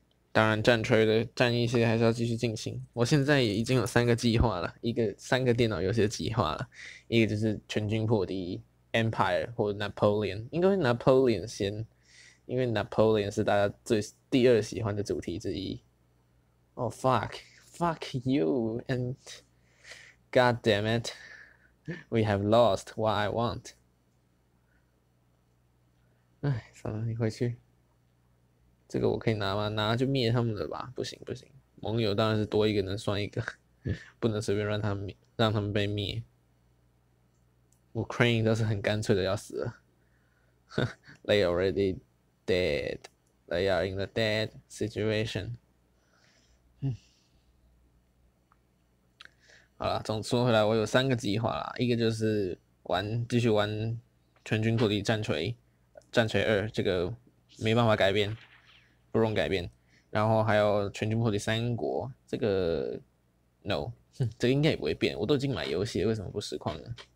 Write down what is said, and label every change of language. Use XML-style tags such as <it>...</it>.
<zh>当然，战锤的战役现在还是要继续进行。我现在也已经有三个计划了，一个三个电脑游戏的计划了，一个就是全军破敌 Empire 或 Napoleon，应该是 Napoleon 先，因为 Napoleon 是大家最第二喜欢的主题之一。</zh> <en>Oh fuck you and God damn it, we have lost what I want。</en> <zh>哎，算了，你回去。这个我可以拿吗？拿就灭他们了吧？不行不行，盟友当然是多一个能算一个，不能随便让他们灭，让他们被灭。</zh> <en>Ukraine</en> <zh>倒是很干脆的要死了</zh> <en>，They already dead, they are in the dead situation。</en> <zh>好了，总说回来，我有三个计划啦，一个就是玩，继续玩全军主力战锤，战锤二这个没办法改变。不容改变，然后还有全军破敌三国，这个 no，这个应该也不会变，我都已经买游戏，为什么不实况呢？</zh>